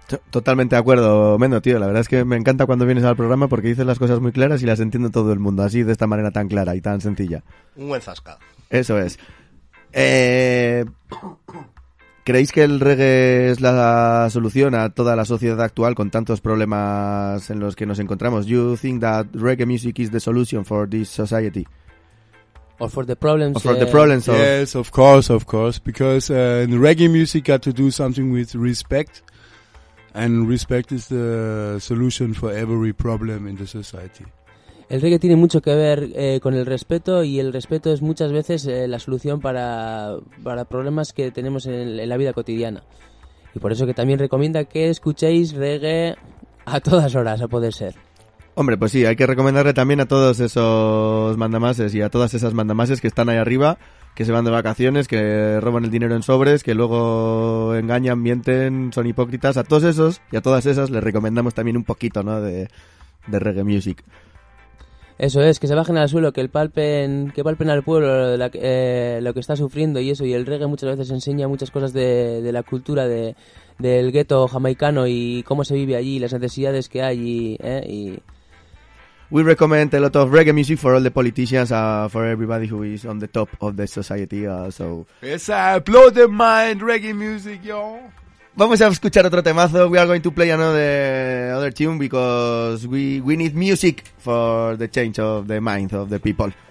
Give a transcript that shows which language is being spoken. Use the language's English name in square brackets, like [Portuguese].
[Spanish] Totalmente de acuerdo, Mendo, tío. La verdad es que me encanta cuando vienes al programa porque dices las cosas muy claras y las entiende todo el mundo, así de esta manera tan clara y tan sencilla. Un buen zasca. Eso es. ¿Creéis que el reggae es la solución a toda la sociedad actual con tantos problemas en los que nos encontramos? [English] You think that reggae music is the solution for this society? Or for the problems? Or for the problems? Of... Yes, of course. Because in reggae music got to do something with respect. And respect is the solution for every problem in the society. [Spanish] El reggae tiene mucho que ver con el respeto, y el respeto es muchas veces la solución para problemas que tenemos en la vida cotidiana. Y por eso que también recomienda que escuchéis reggae a todas horas, a poder ser. Hombre, pues sí, hay que recomendarle también a todos esos mandamases y a todas esas mandamases que están ahí arriba, que se van de vacaciones, que roban el dinero en sobres, que luego engañan, mienten, son hipócritas. A todos esos y a todas esas les recomendamos también un poquito, ¿no?, de [English] reggae music. [Spanish] Eso es, que se bajen al suelo, que palpen al pueblo lo que está sufriendo y eso. Y el reggae muchas veces enseña muchas cosas de la cultura del gueto jamaicano y cómo se vive allí, las necesidades que hay. [English] We recommend a lot of reggae music for all the politicians, for everybody who is on the top of the society. So. It's a blow the mind reggae music, yo. [Spanish] Vamos a escuchar otro temazo. [English] We are going to play another other tune because we need music for the change of the minds of the people.